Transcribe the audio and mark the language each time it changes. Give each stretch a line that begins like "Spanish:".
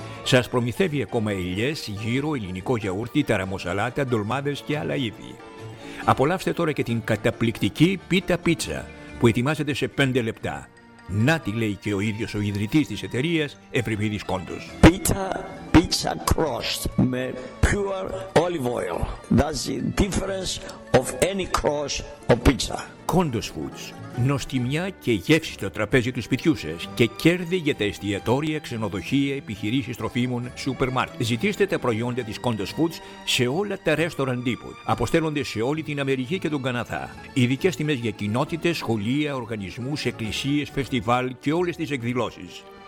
Greek: Σας προμηθεύει ακόμα ελιές, γύρο, ελληνικό γιαούρτι, ταραμοσαλάτα, ντολμάδες και άλλα είδη. Απολαύστε τώρα και την καταπληκτική πίτα πίτσα που ετοιμάζεται σε 5 λεπτά. Να τη λέει και ο ίδιος ο ιδρυτής της εταιρείας, Ευρυπίδης Κόντος. Πίτα, πίτσα
English: crust με pure olive oil. That's the difference of any crust of pizza. Kondos Foods.
Greek: Νοστιμιά και γεύση στο τραπέζι του σπιτιού σας και κέρδη για τα εστιατόρια, ξενοδοχεία, επιχειρήσεις τροφίμων, σούπερ μάρκετ. Ζητήστε τα προϊόντα της Kondos Foods σε όλα τα restaurant depot. Αποστέλλονται σε όλη την Αμερική και τον Καναδά. Ειδικές τιμές για κοινότητες, σχολεία, οργανισμούς, εκκλησίες, φεστιβάλ και όλες τις εκδηλώσεις.